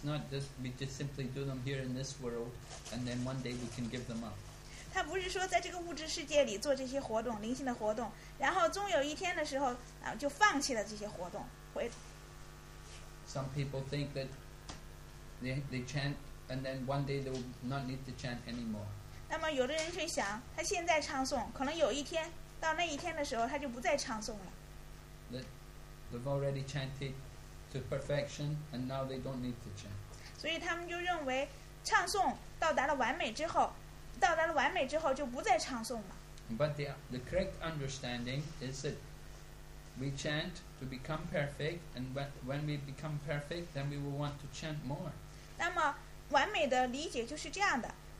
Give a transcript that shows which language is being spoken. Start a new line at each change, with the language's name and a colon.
English: not just we just simply do them here in this world, and then one day we can give them up.
Chinese: 它不是说在这个物质世界里做这些活动，灵性的活动，然后终有一天的时候，就放弃了这些活动。
English: Some people think that they chant, and then one day they will not need to chant anymore.
Chinese: 那么有的人却想，他现在唱诵，可能有一天，到那一天的时候，他就不再唱诵了。
English: They've already chanted to perfection, and now they don't need to chant.
Chinese: 所以他们就认为，唱诵到达了完美之后，就不再唱诵了。
English: But the correct understanding is that we chant to become perfect, and when we become perfect, then we will want to chant more.
Chinese: 那么完美的理解就是这样的。